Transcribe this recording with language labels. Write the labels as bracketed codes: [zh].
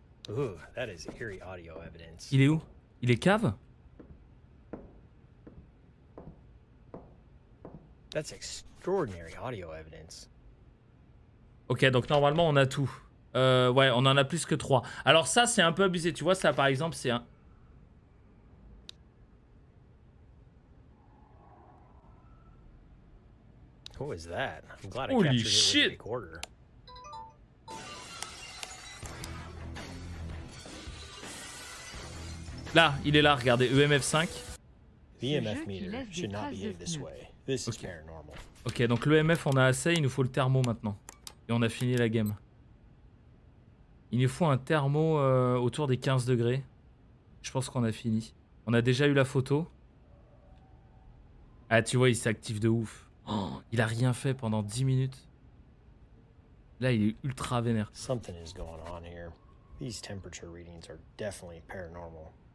[en] Ooh, that is eerie audio evidence. [fr] Il est où? Il est cave? [en] That's extraordinary audio evidence. [fr] Ok, donc normalement on a tout. Ouais, on en a plus que 3. Alors ça, c'est un peu abusé. Tu vois, ça, par exemple, c'est un... [en] Who is that? I'm glad Holy I shit! Recorder. [fr] Là, il est là, regardez. EMF 5. [en] EMF meter should not behave this way. This is paranormal. [fr] Ok, donc l'EMF, on a assez. Il nous faut le thermo maintenant. Et on a fini la game. Il nous faut un thermo autour des 15 degrés. Je pense qu'on a fini. On a déjà eu la photo. Ah, tu vois, il s'active de ouf. Oh, il a rien fait pendant 10 minutes. Là, il est ultra vénère. [en] Something is going on here. These temperature readings are definitely paranormal.